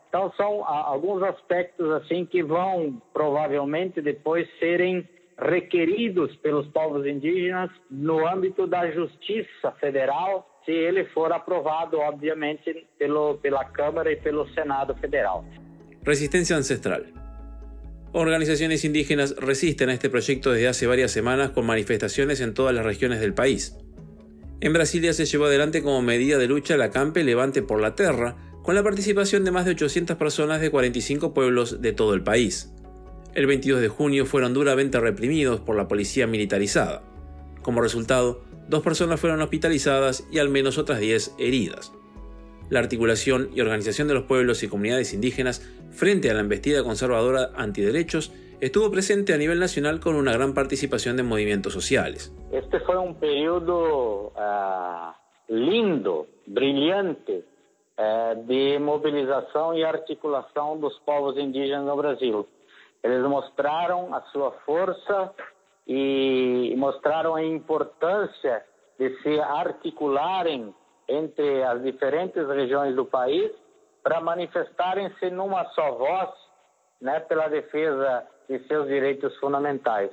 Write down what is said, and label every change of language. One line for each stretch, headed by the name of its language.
Portuguese: Então, são alguns aspectos assim, que vão, provavelmente, depois serem requeridos pelos povos indígenas no âmbito da Justiça Federal, se ele for aprovado, obviamente, pela Câmara e pelo Senado Federal.
Spanish: Resistencia ancestral. Organizaciones indígenas resisten a este proyecto desde hace varias semanas con manifestaciones en todas las regiones del país. En Brasilia se llevó adelante como medida de lucha la Campe Levante por la Terra, con la participación de más de 800 personas de 45 pueblos de todo el país. El 22 de junio fueron duramente reprimidos por la policía militarizada. Como resultado, dos personas fueron hospitalizadas y al menos otras 10 heridas. La articulación y organización de los pueblos y comunidades indígenas frente a la embestida conservadora antiderechos estuvo presente a nivel nacional con una gran participación de movimientos sociales. Este fue un periodo lindo, brillante, de movilización y articulación de los pueblos indígenas en Brasil. Ellos mostraron a su fuerza y mostraron la importancia
Portuguese: de se articularen entre as diferentes regiões do país, para manifestarem-se numa só voz, né, pela defesa de seus direitos fundamentais.